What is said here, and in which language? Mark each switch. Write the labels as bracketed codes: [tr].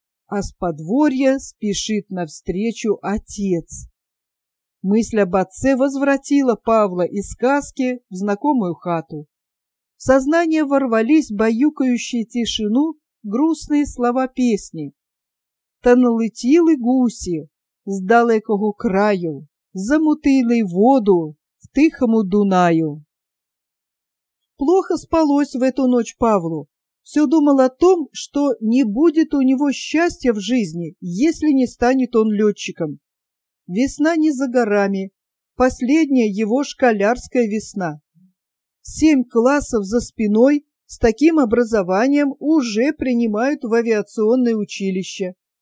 [ru] А с подворья спешит навстречу отец. Мысль об отце возвратила Павла из сказки в знакомую хату. В сознание ворвались баюкающие тишину грустные слова песни. [uk] «Та налетіли гуси с далекого краю, замутили воду в тихому Дунаю». [ru] Плохо спалось в эту ночь Павлу. Все думал о том, что не будет у него счастья в жизни, если не станет он летчиком. Весна не за горами, последняя его школярская весна. 7 классов за спиной с таким образованием уже принимают в авиационное училище.